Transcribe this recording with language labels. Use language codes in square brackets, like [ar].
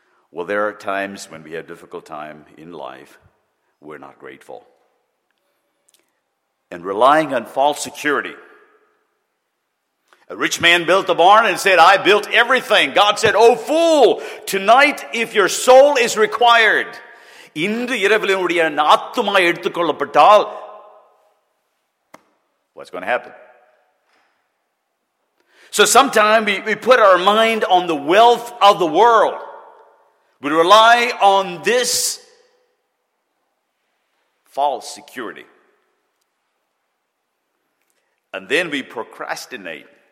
[en] Well, there are times when we have a difficult time in life, we're not grateful. And relying on false security. A rich man built a barn and said, "I built everything." God said, "Oh fool, tonight if your soul is required." [ta] இன்று இரவில் உடைய ஆத்துமா எடுத்துக்கொள்ளப்பட்டால், [en] what's going to happen? So sometimes we put our mind on the wealth of the world. We rely on this false security. And then we procrastinate.